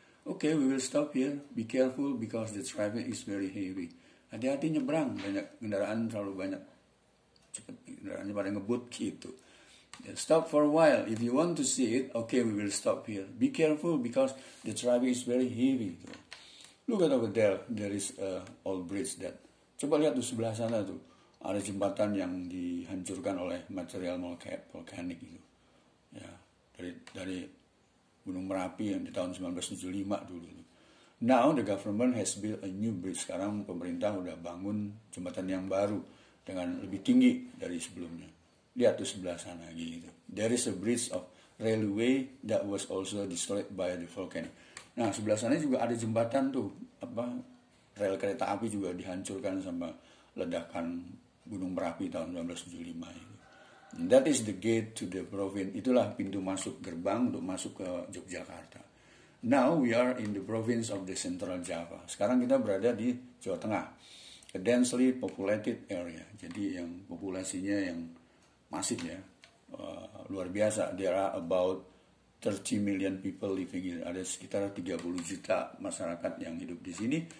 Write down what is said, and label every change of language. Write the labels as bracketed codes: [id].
[en] Okay, we will stop here, be careful because the traffic is very heavy. [id] Hati-hati nyebrang, banyak kendaraan terlalu banyak. Cepet, kendaraannya pada ngebut gitu. [en] Stop for a while, if you want to see it, okay we will stop here. Be careful because the traffic is very heavy. Gitu. Look at over there, there is a old bridge that. [id] Coba lihat tuh sebelah sana tuh, ada jembatan yang dihancurkan oleh material volcanic gitu. Ya, dari Gunung Merapi yang di tahun 1975 dulu. [en] Now the government has built a new bridge. [id] Sekarang pemerintah udah bangun jembatan yang baru dengan lebih tinggi dari sebelumnya. Lihat tuh sebelah sana gitu. [en] There is a bridge of railway that was also destroyed by the volcano. [id] Nah, sebelah sana juga ada jembatan tuh, apa, rel kereta api juga dihancurkan sama ledakan Gunung Merapi tahun 1975 itu. [en] That is the gate to the province. [id] Itulah pintu masuk gerbang untuk masuk ke Yogyakarta. [en] Now we are in the province of the Central Java. [id] Sekarang kita berada di Jawa Tengah. [en] A densely populated area. [id] Jadi yang populasinya yang masif ya. Luar biasa. [en] There are about 30 million people living here. [id] Ada sekitar 30 juta masyarakat yang hidup di sini.